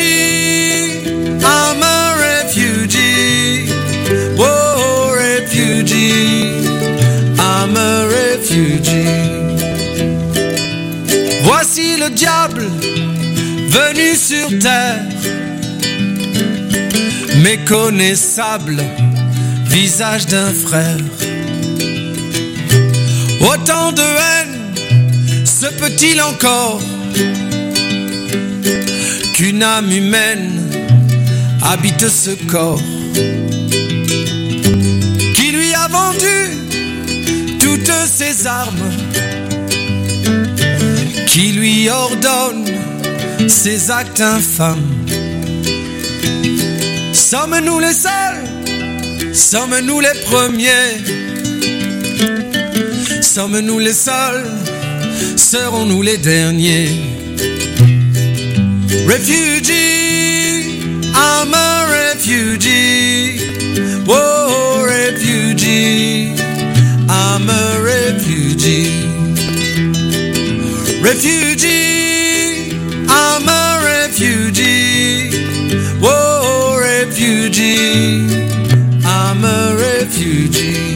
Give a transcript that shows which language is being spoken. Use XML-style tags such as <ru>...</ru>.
<en>Refugee, I'm a refugee, oh, oh refugee, I'm a refugee.</en> <fr>Voici le diable venu sur terre, méconnaissable, visage d'un frère. Autant de haine se peut-il encore qu'une âme humaine habite ce corps? Qui lui a vendu toutes ses armes? Qui lui ordonne ses actes infâmes? Sommes-nous les seuls? Sommes-nous les premiers? Sommes-nous les seuls? Serons-nous les derniers?</fr> <en>Refugee, I'm a refugee, oh, oh refugee, I'm a refugee. Refugee, I'm a refugee, oh, oh refugee, I'm a refugee.</en>